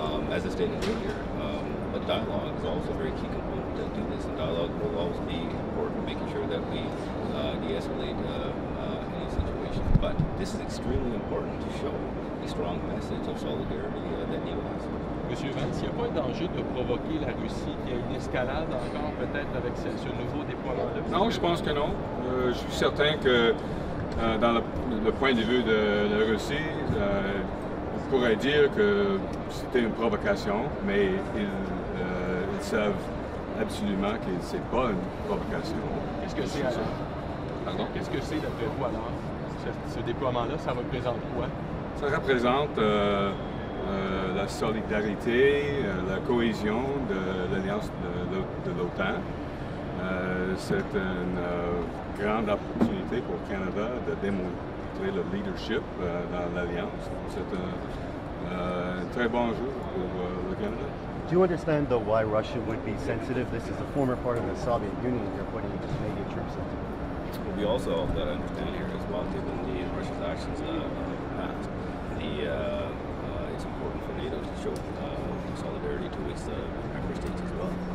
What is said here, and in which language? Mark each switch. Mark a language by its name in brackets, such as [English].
[English] As I stated earlier, but dialogue is also a very key component to do this, and dialogue will always be important, making sure that we de-escalate any situation. But this is extremely important to show a strong message of solidarity that NATO has. [French] Monsieur Vance, il n'y a pas danger de provoquer la Russie qui a une escalade encore peut-être avec ce nouveau déploiement de... Non, je pense que non. Je suis certain que dans le point de vue de la Russie, on pourrait dire que c'était une provocation, mais ils savent absolument que c'est pas une provocation. Qu'est-ce que c'est alors? Pardon? Qu'est-ce que c'est d'après vous alors? Ce déploiement-là, ça représente quoi? Ça représente la solidarité, la cohésion de l'alliance de l'OTAN. C'est une grande opportunité pour Canada de démontrer le leadership dans l'alliance. C'est un très bon jour pour le Canada. [English] Do you understand though why Russia would be sensitive? This is a former part of the Soviet Union. You're putting the Canadian troops in. Well, we also have that understanding here as well, given the Russia's actions in the past. It's important for NATO to show solidarity to its member states as well.